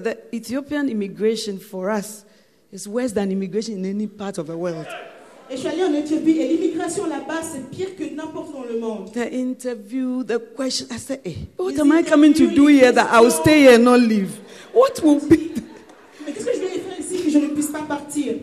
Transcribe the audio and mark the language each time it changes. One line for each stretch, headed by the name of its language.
English: The Ethiopian immigration for us is worse than immigration in any part of the world.
French: Et je suis allée en Éthiopie et l'immigration là-bas c'est pire que n'importe où dans le monde.
English: The interview, the question, I said, hey, what am I coming to do here that I'll stay here and not leave? What will be?
French: Mais qu'est-ce que je vais faire ici que je ne puisse pas partir?